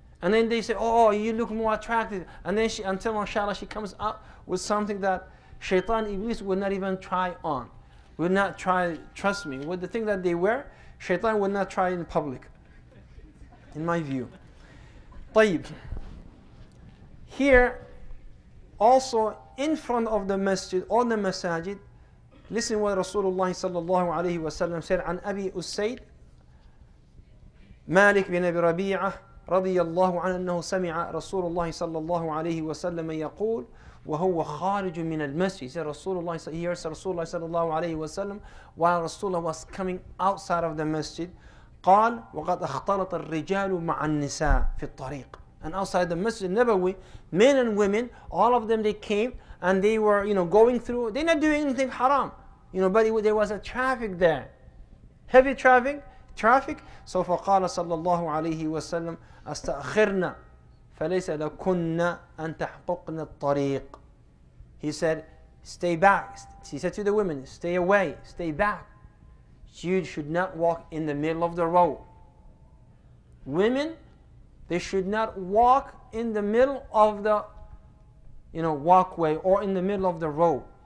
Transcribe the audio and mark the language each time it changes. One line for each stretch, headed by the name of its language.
English: And then they say, oh, you look more attractive. And then she, until mashallah, she comes up with something that shaitan iblis would not even try on. Would not try, trust me, with the thing that they wear, shaitan would not try in public, in my view. Tayyib. Here, also in front of the masjid, on the masajid, listen what Rasulullah sallallahu alayhi wa sallam said
Arabic: عن أبي أسيد مالك بن أبي ربيعة رضي الله عنه أنه سمع رسول الله صلى الله عليه وسلم يقول وهو خارج من المسجد.
English: He said Rasulullah, he heard Rasulullah صلى الله عليه وسلم while Rasulullah was coming outside of the masjid.
Arabic: قال وقد اختلط الرجال مع النساء في الطريق.
English: And outside the Masjid Nabawi, men and women, all of them, they came and they were, you know, going through. They're not doing anything haram, you know, but there was a traffic there, heavy traffic. So
Arabic: فقال صلى الله عليه وسلم أستأخرنا فليس لكنا أن تحققنا الطريق.
English: He said, stay back. He said to the women, stay away, stay back. You should not walk in the middle of the road. Women, they should not walk in the middle of the, you know, walkway or in the middle of the road.